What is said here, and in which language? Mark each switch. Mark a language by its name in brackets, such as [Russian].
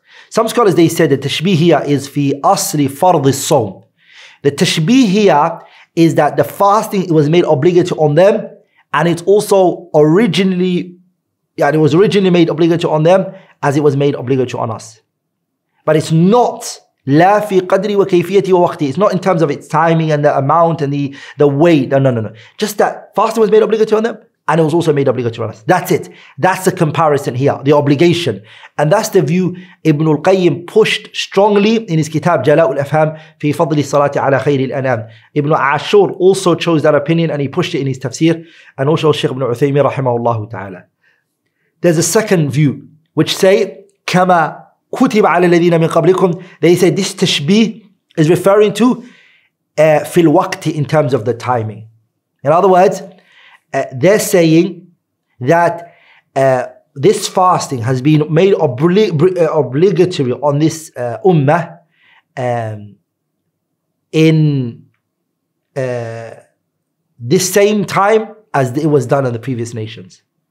[English] Some scholars, they said that tashbih here is [Arabic] fi asri fardhi sawm. [English] The tashbih here is that the fasting, it was made obligatory on them, and it's also originally, yeah, it was originally made obligatory on them as it was made obligatory on us. But it's not [Arabic] لا في قدري وكيفيتي ووقتي. [English] It's not in terms of its timing and the amount and the weight. No. Just that fasting was made obligatory on them and it was also made obligatory on us. That's it. That's the comparison here, the obligation. And that's the view Ibn al-Qayyim pushed strongly in his kitab Jala'ul Afham في فضل الصلاة على خير الأنام. Ibn Ashur also chose that opinion and he pushed it in his tafsir. And also Sheikh Ibn Uthaymeen [Arabic] رحمه الله تعالى. [English] There's a second view which say [Arabic] كما كتب على الذين من قبلكم. [English] They say this tashbih is referring to [Arabic] في الوقت, [English] in terms of the timing. In other words, they're saying that this fasting has been made obligatory on this ummah in this same time as it was done in the previous nations.